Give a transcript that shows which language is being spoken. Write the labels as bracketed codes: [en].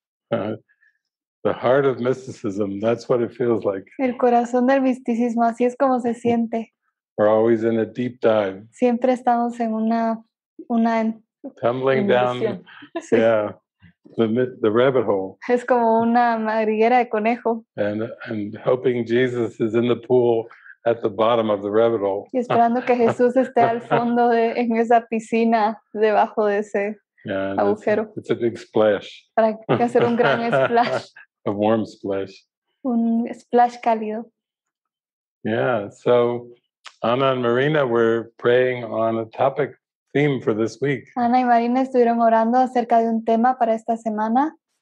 [en] The heart of mysticism, that's what it feels like. [es] El corazón del misticismo, así es como se siente. [en] We're always in a deep dive. [es] Siempre estamos en una [en] tumbling [es] inmersión. [en] Down, yeah. The rabbit hole. [es] Es como una madriguera de conejo. [en] And hoping Jesus is in the pool at the bottom of the rabbit hole. [es] Y esperando que Jesús esté al fondo de en esa piscina debajo de ese agujero. [en] It's a big splash. [es] Para hacer un gran splash. [en] A warm splash. [es] Un splash cálido. Yeah. [en] So Ana and Marina were praying on a topic. Theme for this week. [es] Ana y Marina estuvieron orando acerca de un tema para esta semana.